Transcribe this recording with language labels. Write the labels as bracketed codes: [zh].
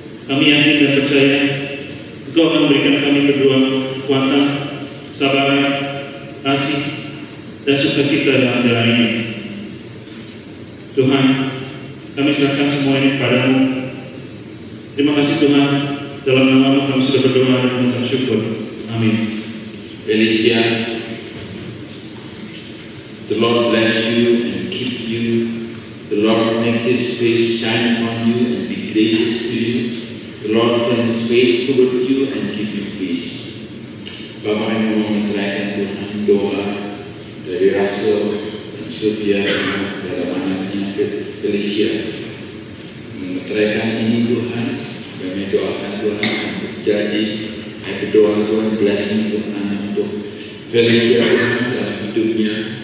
[id] Kami yakin dan percaya Kau akan memberikan kami berdua kekuatan, kesabaran, kasih, dan sukacita dalam jalan ini. Tuhan, kami serahkan semua ini kepada-Mu. Terima kasih Tuhan, dalam nama-Mu kami sudah berdoa dan mengucap syukur. Amin. [en] Felicia, the Lord bless you and keep you. The Lord make His face shine upon you and be gracious to you. The Lord turn His face toward you and give you peace. [id] Bapa yang mengerahkan Tuhan doa dari Russell dan Sylvia dalam anaknya Felicia. Mengerahkan ini Tuhan, kami doakan Tuhan akan terjadi. Aku doa Tuhan blessing Tuhan untuk Felicia Tuhan dalam hidupnya.